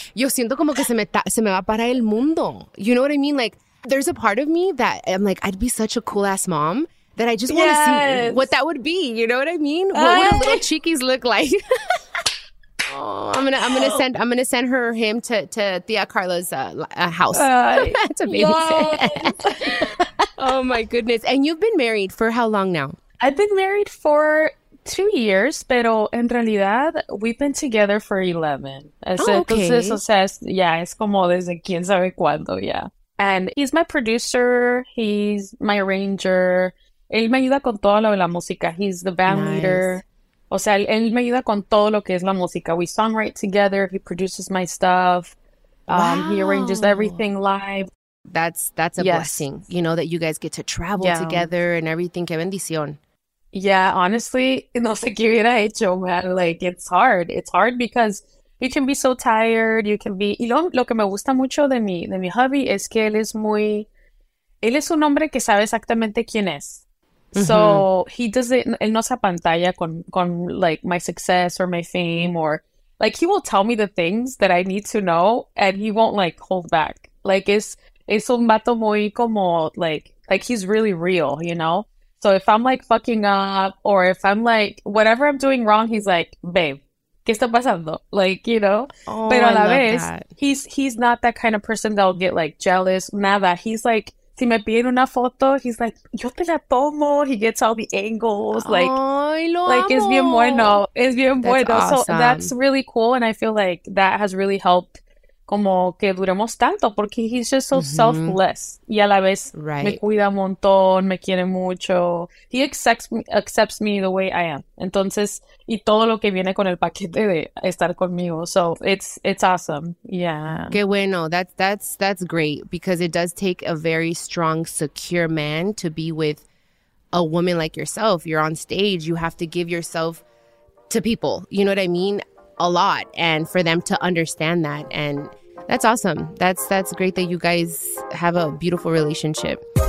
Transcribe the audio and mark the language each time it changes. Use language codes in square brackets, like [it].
[es] Yo siento como que se me va para el mundo. [en] You know what I mean? Like, there's a part of me that I'm like, I'd be such a cool ass mom that I just want to see what that would be. You know what I mean? What would a little cheekies look like? Oh, I'm gonna send her or him to Tia Carla's house to babysit. Oh my goodness! And you've been married for how long now? I've been married for 2 years, [es] pero en realidad [en] we've been together for 11. [es] Es como desde quién sabe cuándo, [en] And he's my producer, he's my arranger, [es] él me ayuda con todo lo de la música, [en] he's the band leader. [es] O sea, él me ayuda con todo lo que es la música. [en] We songwrite together, he produces my stuff, he arranges everything live. That's a blessing, you know, that you guys get to travel together and everything. [es] Qué bendición. Yeah, honestly, no sé qué hubiera hecho, man. [en] Like, it's hard. It's hard because you can be so tired. You can be... [es] Y lo que me gusta mucho de mi hubby es que él es muy... Él es un hombre que sabe exactamente quién es. [en] So, he doesn't... [es] Él no se apantalla con, [en] like, my success or my fame or... Like, he will tell me the things that I need to know and he won't, like, hold back. Like, [es] es un vato muy como, [en] like, he's really real, you know? So if I'm like fucking up or if I'm like whatever I'm doing wrong, he's like, babe, [es] ¿qué está pasando? [en] Like, you know, [es] pero a la vez, [en] he's not that kind of person that'll get like jealous. [es] Nada. [en] He's like, [es] si me piden una foto, he's like, yo te la tomo. [en] He gets all the angles. Like, [es] es bien bueno. Es bien bueno. [en] That's awesome. So that's really cool. And I feel like that has really helped. [es] Como que duremos tanto, porque [en] he's just so selfless. [es] Y a la vez, me cuida un montón, me quiere mucho. [en] He accepts me the way I am. [es] Entonces, y todo lo que viene con el paquete de estar conmigo. [en] So, it's awesome. Yeah. [es] Qué bueno. [en] That's great. Because it does take a very strong, secure man to be with a woman like yourself. You're on stage. You have to give yourself to people. You know what I mean? A lot, and for them to understand that, and that's awesome. That's great that you guys have a beautiful relationship.